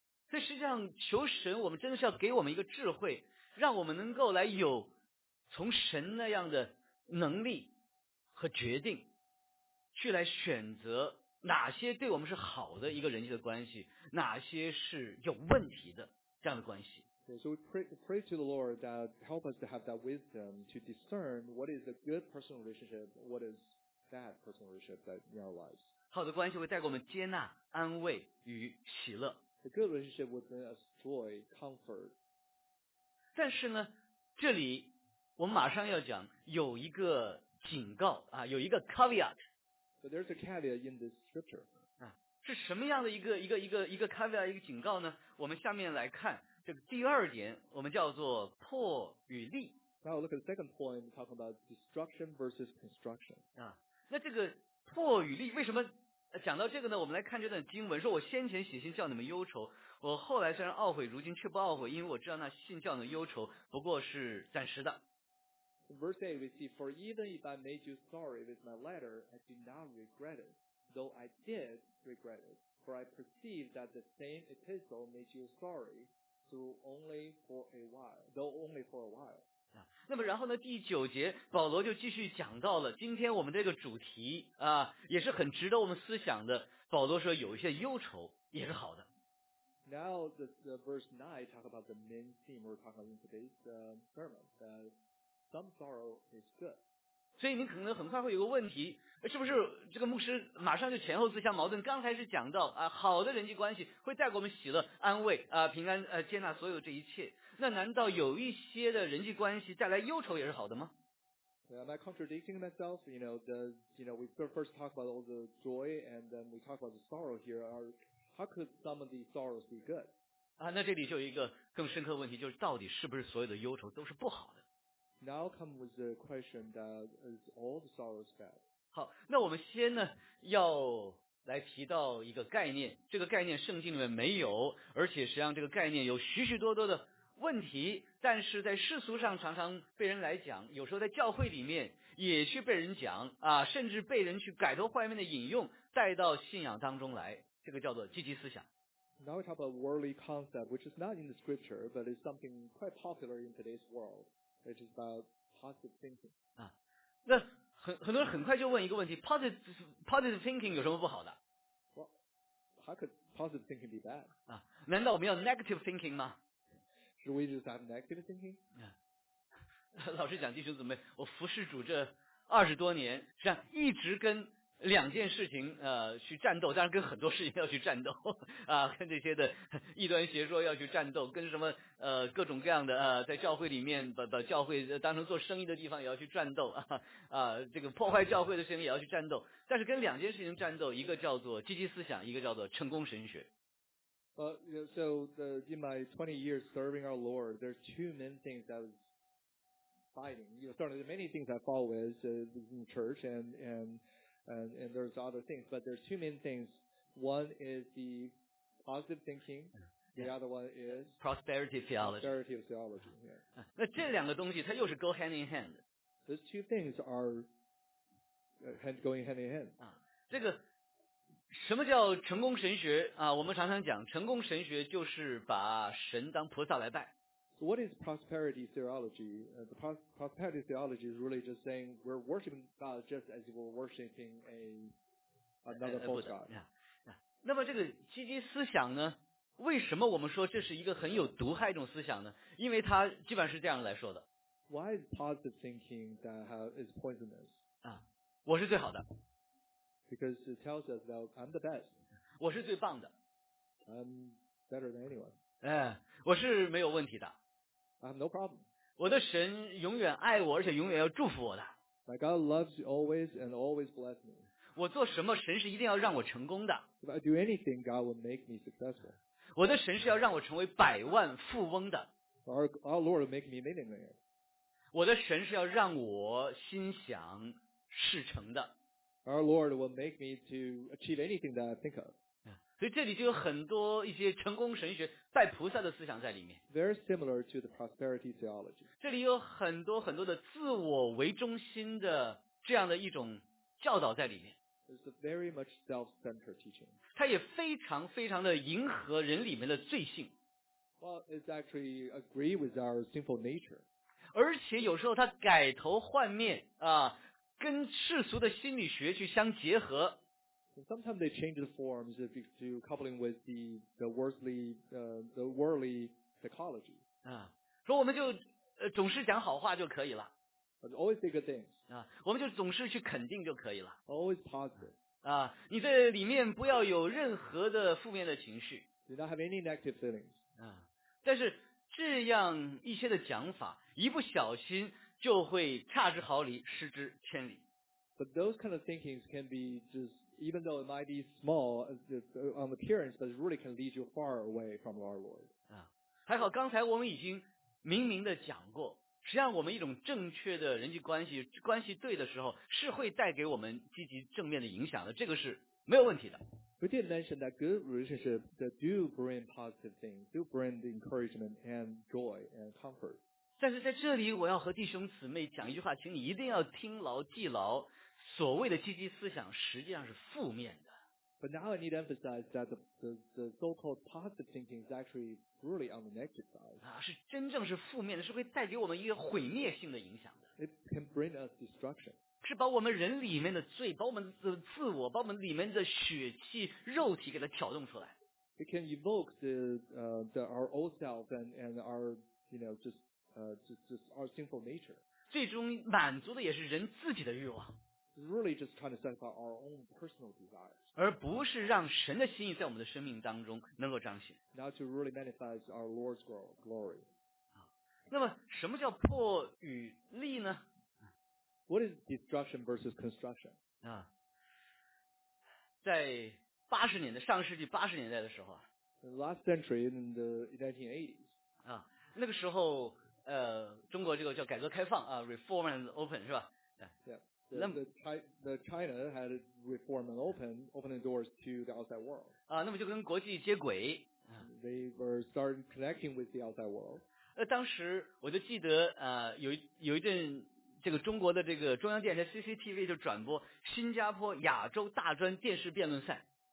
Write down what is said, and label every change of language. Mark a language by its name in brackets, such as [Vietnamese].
[Chinese] 所以实际上求神，我们真的是要给我们一个智慧。让我们能够来有从神那样的能力和决定，去来选择哪些对我们是好的一个人际的关系，哪些是有问题的这样的关系。 [English] Okay, so we pray to the Lord that help us to have that wisdom to discern what is a good personal relationship, what is bad personal relationship that in our lives. [Chinese] 好的关系会带给我们接纳、安慰与喜乐。 [English] A good relationship will bring us joy, comfort. [Chinese] 但是呢，这里我们马上要讲有一个警告啊，有一个 caveat。 [English] So there's a caveat in this scripture. [Chinese] 啊，是什么样的一个 caveat 一个警告呢？我们下面来看这个第二点，我们叫做破与立。 [English] Now look at the second point, talk about destruction versus construction. [Chinese] 啊，那这个破与立为什么讲到这个呢？我们来看这段经文，说我先前写信叫你们忧愁，我后来虽然懊悔，如今却不懊悔，因为我知道那信叫你们忧愁不过是暂时的。 [English] Verse 8, we see, for even if I made you sorry with my letter, I do not regret it, though I did regret it, for I perceive that the same epistle made you sorry, though only for a while. [Chinese] 啊，那么然后呢，第九节，保罗就继续讲到了今天我们这个主题啊，也是很值得我们思想的。保罗说，有一些忧愁也是好的。 [English] Now, the verse 9 talk about the main theme we're talking about in today's sermon, that some sorrow is good. [Chinese] 所以你可能很快会有个问题，是不是这个牧师马上就前后自相矛盾？刚才是讲到啊，好的人际关系会带给我们喜乐、安慰啊、平安、接纳所有这一切。那难道有一些的人际关系带来忧愁也是好的吗？ [English] Yeah, am I contradicting myself? You know, we first talk about all the joy and then we talk about the sorrow here. How could some of these sorrows be good? [Chinese] 啊，那这里就有一个更深刻的问题，就是到底是不是所有的忧愁都是不好的？ [English] Now come with the question that is all the sorrows bad? [Chinese] 好，那我们先呢要来提到一个概念，这个概念圣经里面没有，而且实际上这个概念有许许多多的问题，但是在世俗上常常被人来讲，有时候在教会里面也去被人讲啊，甚至被人去改头换面的引用带到信仰当中来，这个叫做积极思想。 [English] Now we talk about worldly concept, which is not in the scripture, but is something quite popular in today's world. Which is about positive thinking. [Chinese] 啊，那很多人很快就问一个问题 ， [English] positive thinking [Chinese] 有什么不好的 [English] ？Well, how could positive thinking be bad? [Chinese] 啊，难道我们要 [English] negative thinking [Chinese] 吗 [English] ？Should we just have negative thinking? [Chinese] 啊，老实讲，弟兄姊妹，我服侍主这20多年，实际上一直跟两件事情去战斗，当然跟很多事情要去战斗啊，跟这些的异端邪说要去战斗，跟什么各种各样的在教会里面把教会当成做生意的地方也要去战斗啊，这个破坏教会的事情也要去战斗，但是跟两件事情战斗，一个叫做积极思想，一个叫做成功神学。 [English] So in my 20 years serving our Lord, there's two main things that was fighting. You know, certainly there's many things I fought with in church and there's other things, but there's two main things. One is the positive thinking, the other one is prosperity theology. Prosperity theology, yeah. [Chinese] 那这两个东西它又是 [English] go hand in hand. These two things are going hand in hand. [Chinese] 啊，这个什么叫成功神学啊？我们常常讲成功神学就是把神当菩萨来拜。 [English] So what is prosperity theology? The prosperity theology is really just saying we're worshiping God just as we're worshiping another false god. Yeah, yeah. [Chinese] 那么这个积极思想呢，为什么我们说这是一个很有毒害一种思想呢？因为它基本上是这样来说的。 [English] Why is positive thinking that is poisonous? [Chinese] 啊，我是最好的。 [English] Because it tells us that I'm the best. [Chinese] 我是最棒的。 [English] I'm better than anyone. [Chinese] 哎，我是没有问题的。 [English] I have no problem. [Chinese] 我的神永远爱我，而且永远要祝福我的。 [English] My God loves you always and always bless me. [Chinese] 我做什么，神是一定要让我成功的。 [English] If I do anything, God will make me successful. [Chinese] 我的神是要让我成为百万富翁的。 [English] Our Lord will make me millionaire. [Chinese] 我的神是要让我心想事成的。 [English] Our Lord will make me to achieve anything that I think of. [Chinese] 所以这里就有很多一些成功神学拜菩萨的思想在里面。 [English] Very similar to the prosperity theology. [Chinese] 这里有很多很多的自我为中心的这样的一种教导在里面。 [English] It's a very much self-centered teaching. [Chinese] 它也非常非常的迎合人里面的罪性。 [English] Well, it's actually agree with our sinful nature. [Chinese] 而且有时候它改头换面啊，跟世俗的心理学去相结合。 [English] Sometimes they change the forms if to coupling with the worldly psychology. [Chinese] 啊，说我们就总是讲好话就可以了。 [English] But always say good things. [Chinese] 啊，我们就总是去肯定就可以了。 [English] Always positive. [Chinese] 啊，你这里面不要有任何的负面的情绪。 [English] Do not have any negative feelings. [Chinese] 啊，但是这样一些的讲法，一不小心就会恰之毫厘，失之千里。 [English] But those kind of thinkings can be just, even though it might be small on appearance, but it really can lead you far away from our Lord. [Chinese] 还好刚才我们已经明明的讲过，实际上我们一种正确的人际关系，关系对的时候，是会带给我们积极正面的影响的，这个是没有问题的。 [English] We did mention that good relationships that do bring positive things, do bring the encouragement and joy and comfort. [Chinese] 但是在这里我要和弟兄姊妹讲一句话，请你一定要听牢记牢，所谓的积极思想实际上是负面的。 [English] But now I need to emphasize that the so-called positive thinking is actually really on the negative side. [Chinese] 是真正是负面的，是会带给我们一个毁灭性的影响的。 [English] It can bring us destruction. [Chinese] 是把我们人里面的罪，把我们的自我，把我们里面的血气、肉体给它挑动出来。 [English] It can evoke the our old self and our, you know, just our sinful nature. [Chinese] 最终满足的也是人自己的欲望。 [English] Really just trying to satisfy our own personal desires. [Chinese] 而不是让神的心意在我们的生命当中能够彰显。 [English] Now to really manifest our Lord's glory. [Chinese] 那么什么叫破与立呢？ [English] What is destruction versus construction? [Chinese] 在上世纪八十年代的时候， [English] the last century in the 1980s. [Chinese] 那个时候中国这个叫改革开放啊， [English] reform and open, [Chinese] 是吧？ [English] The China had reform and open the doors to the outside world. [Chinese] 那么就跟国际接轨。 [English] They were starting connecting with the outside world. [Chinese] 当时我就记得有一阵这个中国的这个中央电视 CCTV 就转播新加坡亚洲大专电视辩论赛。